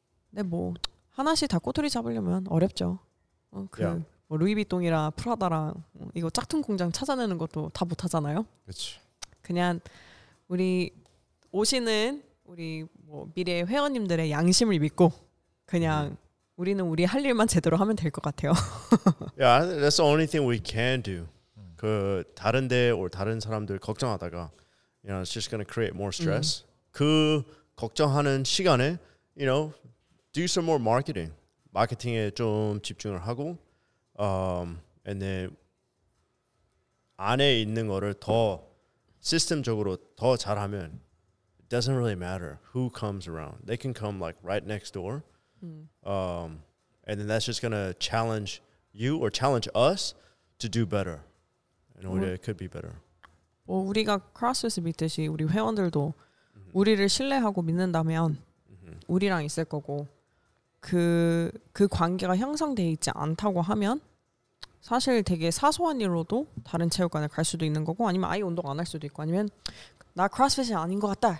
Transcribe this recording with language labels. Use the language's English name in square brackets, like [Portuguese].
[Korean] 근데 뭐 하나씩 다 꼬투리 잡으려면 어렵죠. 뭐 루이비통이랑 프라다랑 이거 짝퉁 공장 찾아내는 것도 다 못하잖아요. 그렇지. 그냥 우리 오시는 우리 뭐 미래 회원님들의 양심을 믿고 그냥 우리는 우리 할 일만 제대로 하면 될 것 같아요. [English] yeah, that's the only thing we can do. [Korean] 그 다른데 [English] or [Korean] 다른 사람들 걱정하다가, [English] you know, it's just gonna create more stress. [Korean] 그 걱정하는 시간에, [English] you know, do some more marketing. [Korean] 마케팅에 좀 집중을 하고, [English] and then [Korean] 안에 있는 거를 더 시스템적으로 더 잘하면. [English] Doesn't really matter who comes around. They can come like right next door, and then that's just gonna challenge you or challenge us to do better. In order, it could be better. [Korean] 뭐 우리가 크로스핏을 믿듯이 우리 회원들도 우리를 신뢰하고 믿는다면 우리랑 있을 거고 그 관계가 형성돼 있지 않다고 하면 사실 되게 사소한 일로도 다른 체육관을 갈 수도 있는 거고 아니면 아예 운동 안 할 수도 있고 아니면 나 크로스핏이 아닌 것 같다.